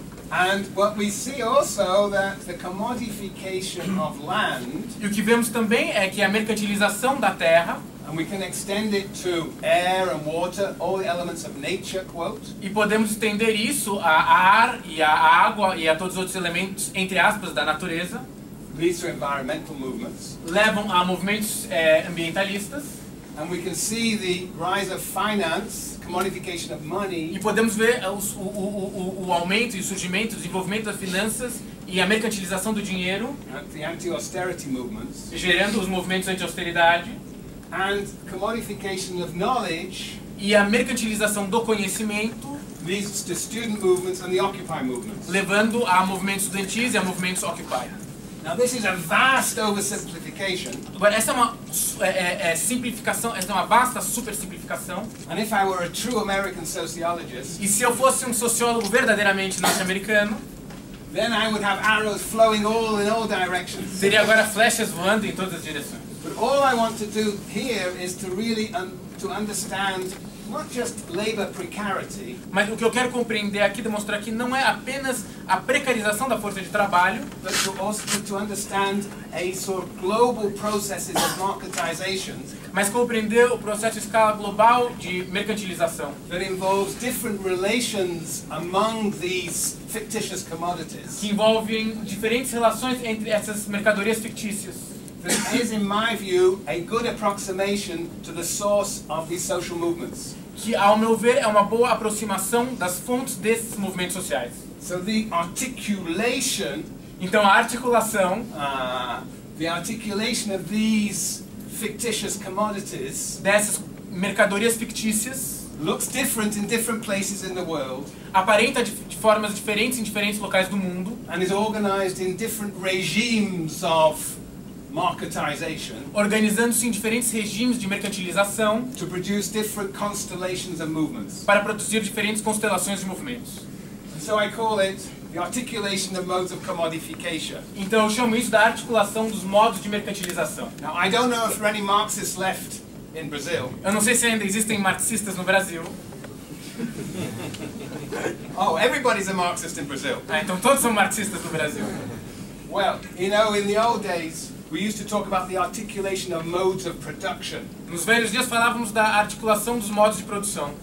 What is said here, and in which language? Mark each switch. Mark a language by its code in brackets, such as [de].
[en] And what we see also that the commodification of land, [pt] e o que vemos também é que a mercantilização da terra, [en] and we can extend it to air and water, all the elements of nature, quote, [pt] e podemos estender isso a ar e a água e a todos os outros elementos, entre aspas, da natureza, [en] leads to environmental movements, [pt] levam a movimentos ambientalistas. [en] And we can see the rise of finance, commodification of money. [pt] E podemos ver o aumento e surgimento, desenvolvimento das finanças e a mercantilização do dinheiro. [en] And the anti-austerity movements. [pt] Gerando os movimentos anti-austeridade. [en] And commodification of knowledge. [pt] E a mercantilização do conhecimento. [en] leads to student movements and the Occupy movements. [pt] Levando a movimentos estudantis e a movimentos Occupy. [en] Now this is a vast oversimplification. But [pt] essa é uma simplificação, essa é uma vasta super simplificação. [en] And if I were a true American sociologist, [pt] e se eu fosse um sociólogo verdadeiramente norte-americano, [en] then I would have arrows flowing all in all directions. [pt] Seria agora flechas voando em todas as direções. [en] But all I want to do here is to really to understand not just labor precarity. [pt] Mas o que eu quero compreender aqui, demonstrar aqui, não é apenas a precarização da força de trabalho, [en] but to understand a sort of global processes of marketization. [pt] Mas compreender o processo de escala global de mercantilização. [en] That involves different relations among these fictitious commodities. [pt] Que envolvem diferentes relações entre essas mercadorias fictícias. [en] That is, in my view, a good approximation to the source of these social movements. [pt] Que, ao meu ver, é uma boa aproximação das fontes desses movimentos sociais. [en] So the articulation. [pt] Então a articulação. [en] The articulation of these fictitious commodities. [pt] Dessas mercadorias fictícias. [en] Looks different in different places in the world. [pt] Aparenta de formas diferentes em diferentes locais do mundo. [en] And is organized in different regimes of marketization, [pt] organizando-se em diferentes regimes de mercantilização, [en] to produce different constellations of movements, [pt] para produzir diferentes constelações de movimentos. [en] So I call it the articulation of modes of commodification. [pt] Então eu chamo isso da articulação dos modos de mercantilização. [en] Now I don't know if there are any Marxists left in Brazil. [pt] Eu não sei se ainda existem marxistas no Brasil. [en] Oh, everybody's a Marxist in Brazil. [pt] Ah, então todos são marxistas no Brasil. [en] Well, you know, in the old days, we used to talk about the articulation of modes of production. [pt] Nos velhos dias falávamos da articulação dos modos de produção.